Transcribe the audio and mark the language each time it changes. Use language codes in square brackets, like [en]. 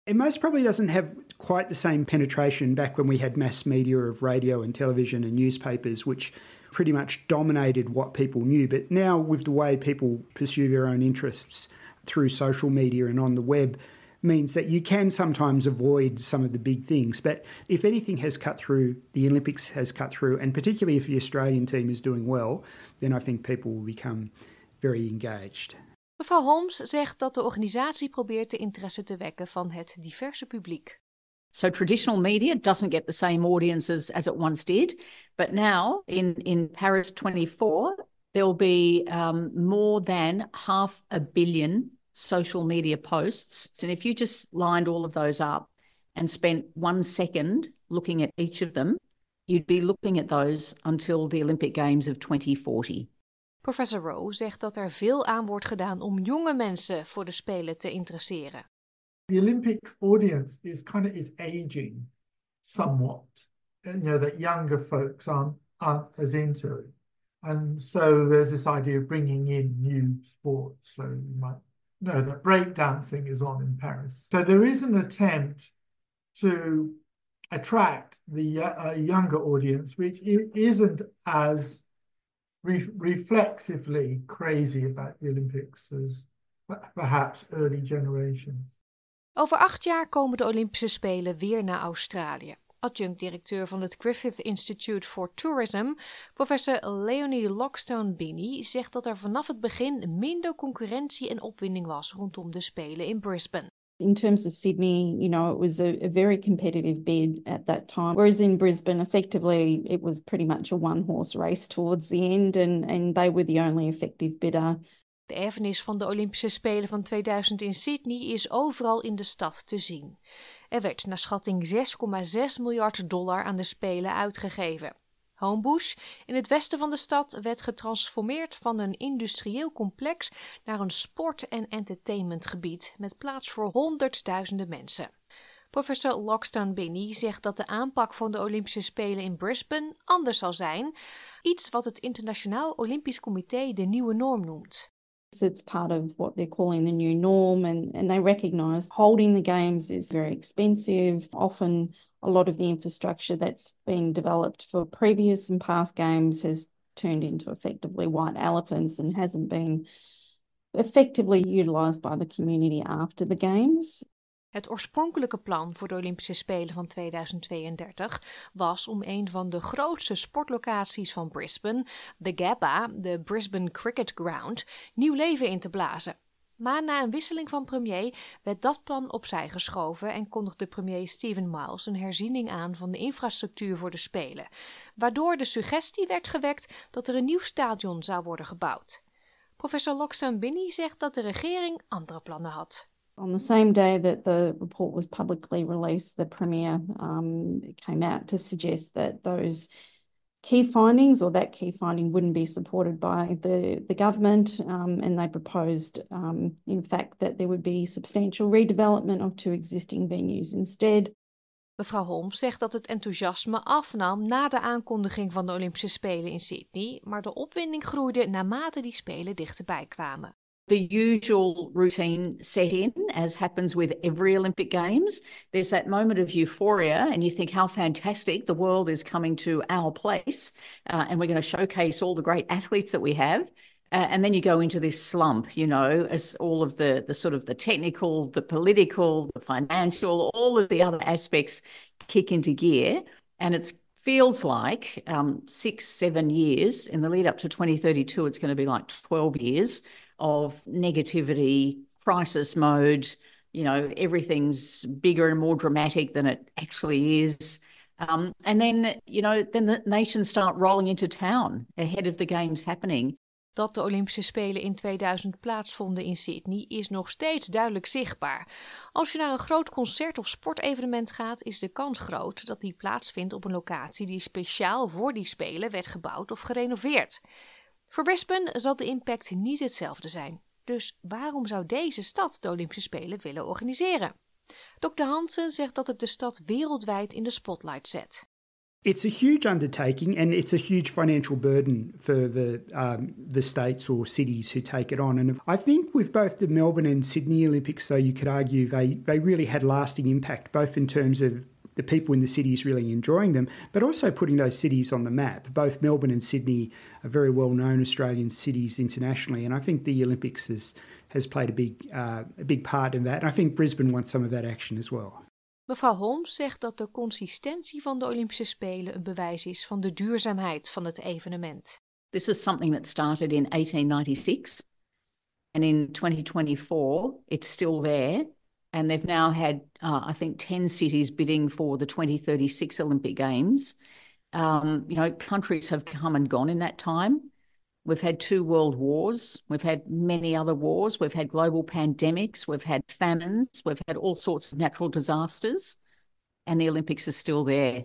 [en] It most probably doesn't have quite the same penetration back when we had mass media of radio and television and newspapers, which pretty much dominated what people knew. But now with the way people pursue their own interests through social media and on the web, means that you can sometimes avoid some of the big things. But if anything has cut through, the Olympics has cut through, and particularly if the Australian team is doing well, then I think people will become very engaged. [nl] Mevrouw Holmes zegt dat de organisatie probeert de interesse te wekken van het diverse publiek. [en] So traditional media doesn't get the same audiences as it once did, but now in Paris 24, there'll be more than 500 million social media posts. And if you just lined all of those up and spent 1 second looking at each of them, you'd be looking at those until the Olympic Games of 2040. [nl] Professor Rowe zegt dat er veel aan wordt gedaan om jonge mensen voor de Spelen te interesseren. [en] The Olympic audience is aging somewhat. And, you know, that younger folks aren't as into it. And so there's this idea of bringing in new sports. So you might know that breakdancing is on in Paris. So there is an attempt to attract the younger audience, which isn't as reflexively crazy about the Olympics as perhaps early generations. [nl] Over 8 jaar komen de Olympische Spelen weer naar Australië. Adjunct-directeur van het Griffith Institute for Tourism, professor Leonie Lockstone-Binney, zegt dat er vanaf het begin minder concurrentie en opwinding was rondom de Spelen in Brisbane. [en] In terms of Sydney, you know, it was a very competitive bid at that time. Whereas in Brisbane, effectively, it was pretty much a one-horse race towards the end and they were the only effective bidder. [nl] De erfenis van de Olympische Spelen van 2000 in Sydney is overal in de stad te zien. Er werd naar schatting 6,6 miljard dollar aan de Spelen uitgegeven. Homebush, in het westen van de stad, werd getransformeerd van een industrieel complex naar een sport- en entertainmentgebied met plaats voor honderdduizenden mensen. Professor Lockstone-Binney zegt dat de aanpak van de Olympische Spelen in Brisbane anders zal zijn, iets wat het Internationaal Olympisch Comité de nieuwe norm noemt. [en] It's part of what they're calling the new norm, and they recognise holding the games is very expensive. Often a lot of the infrastructure that's been developed for previous and past games has turned into effectively white elephants and hasn't been effectively utilised by the community after the games. [nl] Het oorspronkelijke plan voor de Olympische Spelen van 2032 was om een van de grootste sportlocaties van Brisbane, de Gabba, de Brisbane Cricket Ground, nieuw leven in te blazen. Maar na een wisseling van premier werd dat plan opzij geschoven en kondigde premier Stephen Miles een herziening aan van de infrastructuur voor de Spelen, waardoor de suggestie werd gewekt dat er een nieuw stadion zou worden gebouwd. Professor Lockstone-Binney zegt dat de regering andere plannen had. [en] On the same day that the report was publicly released, the Premier came out to suggest that those key findings, or that key finding wouldn't be supported by the government, and they proposed, in fact, that there would be substantial redevelopment of two existing venues instead. [nl] Mevrouw Holmes zegt dat het enthousiasme afnam na de aankondiging van de Olympische Spelen in Sydney, maar de opwinding groeide naarmate die Spelen dichterbij kwamen. [en] The usual routine set in, as happens with every Olympic Games. There's that moment of euphoria, and you think how fantastic the world is coming to our place, and we're going to showcase all the great athletes that we have. And then you go into this slump, you know, as all of the sort of the technical, the political, the financial, all of the other aspects kick into gear. And it feels like 6-7 years in the lead up to 2032, it's going to be like 12 years of negativity, crisis mode, you know, everything's bigger and more dramatic than it actually is. And then, you know, then the nations start rolling into town ahead of the games happening. [nl] Dat de Olympische Spelen in 2000 plaatsvonden in Sydney is nog steeds duidelijk zichtbaar. Als je naar een groot concert of sportevenement gaat, is de kans groot dat die plaatsvindt op een locatie die speciaal voor die Spelen werd gebouwd of gerenoveerd. Voor Brisbane zal de impact niet hetzelfde zijn. Dus waarom zou deze stad de Olympische Spelen willen organiseren? Dr. Hansen zegt dat het de stad wereldwijd in de spotlight zet. [en] It's a huge undertaking and it's a huge financial burden for the states or cities who take it on. And I think with both the Melbourne and Sydney Olympics, though, you could argue they really had lasting impact, both in terms of the people in the cities really enjoying them, but also putting those cities on the map. Both Melbourne and Sydney are very well-known Australian cities internationally, and I think the Olympics has played a big part in that. And I think Brisbane wants some of that action as well. [nl] Mevrouw Holmes zegt dat de consistentie van de Olympische Spelen een bewijs is van de duurzaamheid van het evenement. [en] This is something that started in 1896 and in 2024 it's still there, and they've now had I think 10 cities bidding for the 2036 Olympic Games. You know, countries have come and gone in that time. We've had two world wars, we've had many other wars, we've had global pandemics, we've had famines, we've had all sorts of natural disasters, and the Olympics are still there.